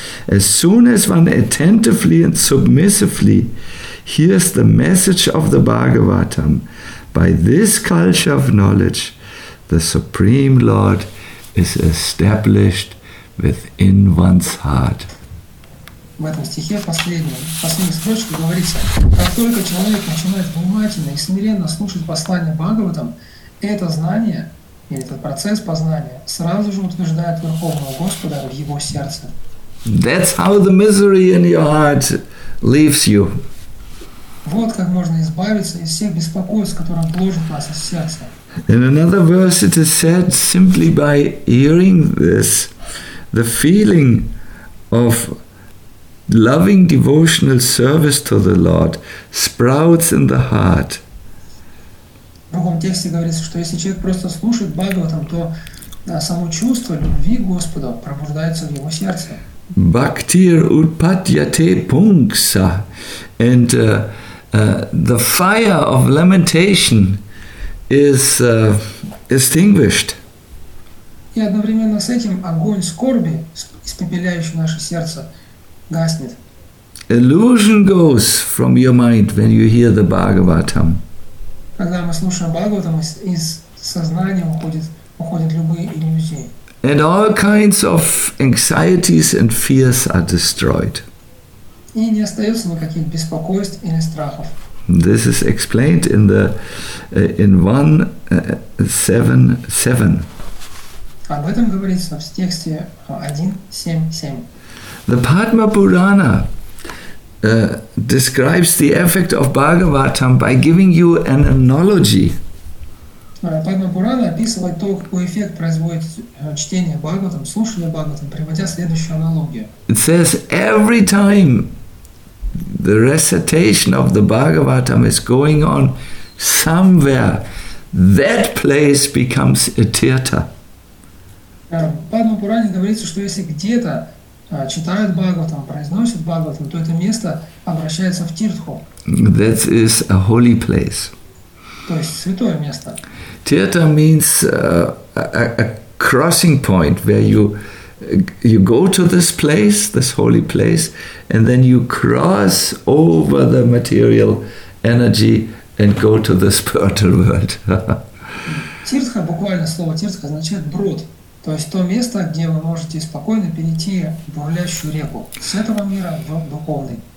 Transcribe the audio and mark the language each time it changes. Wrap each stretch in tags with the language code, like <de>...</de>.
<en>As soon as one attentively and submissively hears the message of the Bhagavatam, by this culture of knowledge, the Supreme Lord is established within one's heart.</en> <ru>В этом стихе последней строчке говорится, как только человек начинает внимательно и смиренно слушать послание Бхагаватам, это знание, или этот процесс познания, сразу же утверждает Верховного Господа в его сердце.</ru> <en>That's how the misery in your heart leaves you.</en> <ru>Вот как можно избавиться из всех беспокойств, которые гложут вас из сердца.</ru> <en>In another verse it is said, simply by hearing this, the feeling of loving devotional service to the Lord sprouts in the heart.</en> <ru>В другом тексте говорится, что если человек просто слушает Бхагаватам, то само чувство любви к Господу пробуждается в его сердце.</ru> <sa>Bhaktir utpadyate pungsa,</sa> <en>and the fire of lamentation is extinguished.</en> <ru>И одновременно с этим огонь скорби, испепеляющий наше сердце, гаснет.</ru> <en>Illusion goes from your mind when you hear the Bhagavatam.</en> <ru>Когда мы слушаем Бхагаватам, из сознания уходят любые иллюзии.</ru> <en>And all kinds of anxieties and fears are destroyed.</en> <ru>И не остается никаких беспокойств или страхов.</ru> <en>This is explained in the in 1.7.7.</en> <ru>Об этом говорится в тексте 1.7.7.</ru> <en>The Padma Purana describes the effect of Bhagavatam by giving you an analogy.</en> <ru>Padma Purana описывает то, какой эффект производит чтение Бхагаватам, слушание Бхагаватам, приводя следующую аналогию.</ru> <en>It says every time the recitation of the Bhagavatam is going on somewhere, that place becomes a theater.</en> <ru>Padma Purana говорится, что если где-то читают Бхагаватам, произносят Бхагаватам, то это место обращается в тиртху.</ru> <en>That is a holy place.</en> <ru>То есть святое место.</ru> <en>Тирта means a crossing point where you go to this place, this holy place, and then you cross over the material energy and go to the spiritual world.</en> <ru>Тиртха, буквально слово тиртха, означает брод. То есть то место, где вы можете спокойно перейти в бурлящую реку с этого мира в духовный.</ru>